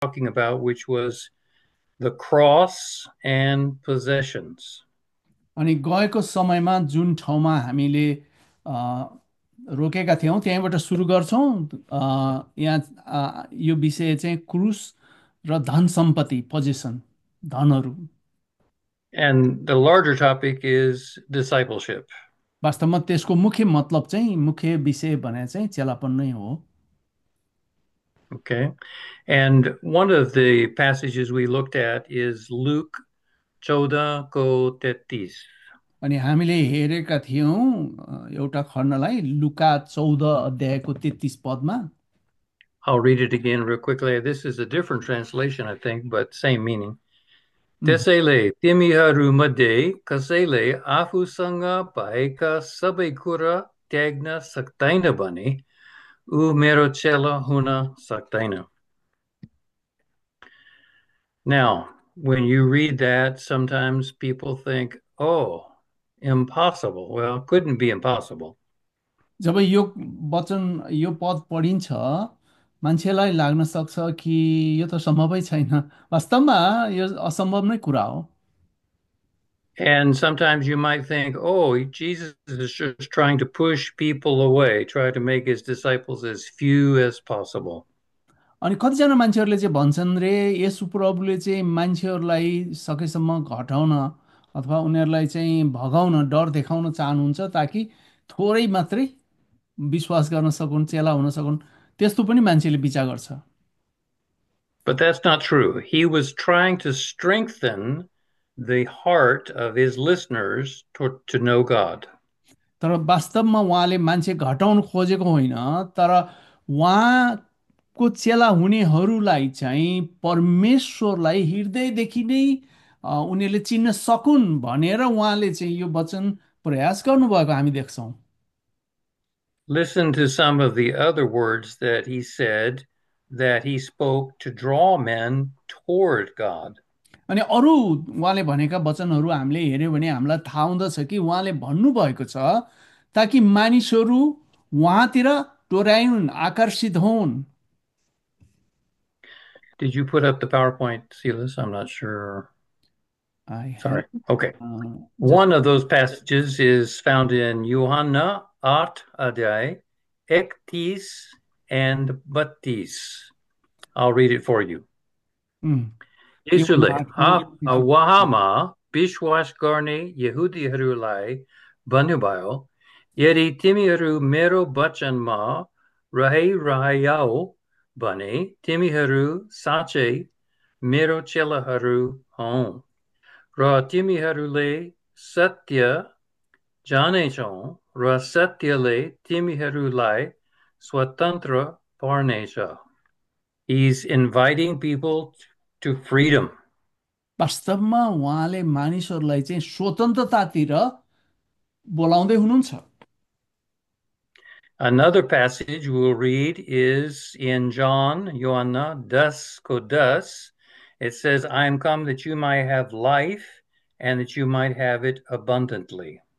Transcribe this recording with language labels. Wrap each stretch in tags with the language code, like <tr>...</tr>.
<en>talking about, which was the cross and possessions.</en> <ne>अनि गएको समयमा जुन ठाउँमा हामीले रोकेका थियौँ त्यहीँबाट सुरु गर्छौँ। यहाँ यो विषय चाहिँ क्रुस र धन सम्पत्ति, position, धनहरू।</ne> <en>And the larger topic is discipleship.</en> <ne>वास्तवमा त्यसको मुख्य मतलब चाहिँ, मुख्य विषय भने चाहिँ चेलापन नै हो।</ne> <en>Okay. And one of the passages we looked at is Luke 14:33.</en> <ne>अनि हामीले हेरेका थियौँ एउटा खण्डलाई, लुका 14 अध्यायको 33 पदमा।</ne> <en>I'll read it again real quickly. This is a different translation, I think, but same meaning.</en> <ne>त्यसैले तिमीहरू मध्ये कसैले आफूसँग भएका सबै कुरा त्याग्न सक्दैन भने ऊ मेरो चेला हुन सक्दैन.</ne> <en>Now, when you read that, sometimes people think, oh, impossible. Well, couldn't be impossible.</en> <ne>जब यो वचन, यो पद पढिन्छ, मान्छेलाई लाग्न सक्छ कि यो त सम्भवै छैन। वास्तवमा यो असम्भव नै कुरा हो।</ne> <en>And sometimes you might think, oh, Jesus is just trying to push people away, try to make his disciples as few as possible.</en> <ne>अनि कतिजना मान्छेहरूले चाहिँ भन्छन्, रे यसु प्रभुले चाहिँ मान्छेहरूलाई सकेसम्म घटाउन अथवा उनीहरूलाई चाहिँ भगाउन, डर देखाउन चाहनुहुन्छ, ताकि थोरै मात्रै विश्वास गर्न सकुन्, चेला हुन सकुन्। त्यस्तो पनि मान्छेले विचार गर्छ।</ne> <en>But that's not true. He was trying to strengthen the heart of his listeners to know God.</en> <ne>तर वास्तवमा उहाँले मान्छे घटाउन खोजेको होइन, तर उहाँको चेला हुनेहरूलाई चाहिँ परमेश्वरलाई हृदयदेखि नै उनीहरूले चिन्न सकुन् भनेर उहाँले चाहिँ यो वचन प्रयास गर्नुभएको हामी देख्छौँ।</ne> <en>Listen to some of the other words that he said that he spoke to draw men toward God.</en> <ne>अनि अरू उहाँले भनेका वचनहरू हामीले हेऱ्यौँ भने हामीलाई थाहा हुँदछ कि उहाँले भन्नुभएको छ, ताकि मानिसहरू उहाँतिर टोर्याइन्, आकर्षित होन्।</ne> <en>Did you put up the PowerPoint, Silas? I'm not sure. I Sorry. Okay. Help just One of those passages is found in Johanna 8 adai 31 and 32. I'll read it for you.</en> <ne>Yesule, ha wahama bishwas garne Yehudiharulai bhannubhayo, yedi timiharu mero bachanma rahirahayao भने तिमीहरू साँच्चै मेरो चेलाहरू हौ र तिमीहरूले सत्य जानेछौ र सत्यले तिमीहरूलाई स्वतन्त्र पार्नेछ.</ne> <en>He's inviting people to freedom.</en> <ne>वास्तवमा उहाँले मानिसहरूलाई चाहिँ स्वतन्त्रतातिर बोलाउँदै हुनुहुन्छ।</ne> <en>Another passage we'll read is in John, Yohanna 10:10. It says, I am come that you might have life and that you might have it abundantly.</en>